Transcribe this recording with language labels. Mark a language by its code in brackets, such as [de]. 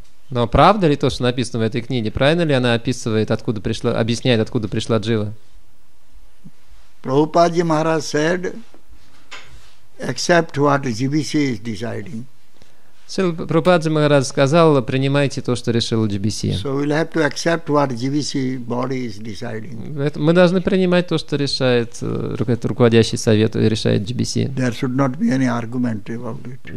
[ru] Но правда ли то, что написано в этой книге? Правильно ли она описывает, откуда пришла, объясняет, откуда пришла джива? [en] Прабхупада Махарадж said, accept what GBC is deciding. [ru] Прабхупада Махарадж сказал, принимайте то, что решил GBC. [en] So we'll have to accept what GBC body is deciding. [ru] Мы должны принимать то, что решает руководящий совет и решает GBC. [en] There should not be any argument about it.